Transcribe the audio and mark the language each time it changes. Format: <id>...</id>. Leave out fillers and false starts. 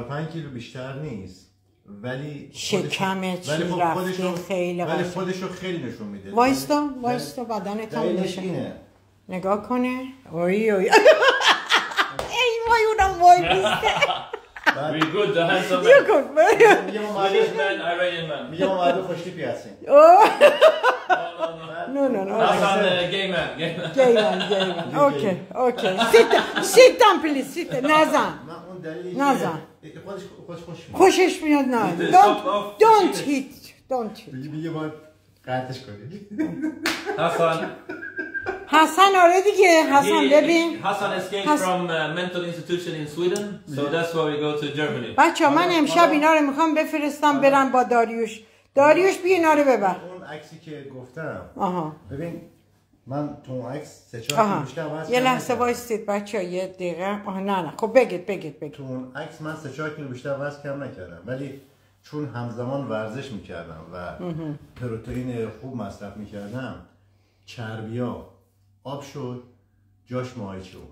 <fa>4-5 کیلو بیشتر نیست ولی شکمت ولی خودشو خیلی نشون میده وایستا بدنت هم نشونه نگاه کنه اوی ای وای اونم وای بیسته</fa> <en>We good, the handsome man. You're good, man. You're my English man, Iranian man. You're my English man. You're my No. Hassan, gay man. Gay man. Okay. Sit down, please. Sit down. Nazan.</en> <fa>خوشش میاد نه.</fa> <en>Don't hit.</en> <fa>میگه باید قطعش کنید.</fa> <en>Hassan already gave Hassan baby. Hassan escaped from a mental institution in Sweden, so that's why we go to Germany.</en> <fa>بچه‌ها من امشب اینا رو می‌خوام بفرستم برم با داریوش. داریوش بیا اینا رو ببر. اون عکسی که گفتم. آها. ببین من تو عکس سه چهار تا مشتاق واسه. یه لحظه وایستید بچه‌ها یه دقیقه. آها نه. خب بگید. تو اون عکس من سه چهار کیلو بیشتر وزن کم نکردم ولی چون همزمان ورزش می‌کردم و پروتئین خوب مصرف می‌کردم چربی‌ها آب شد جاش ماهیچه</fa>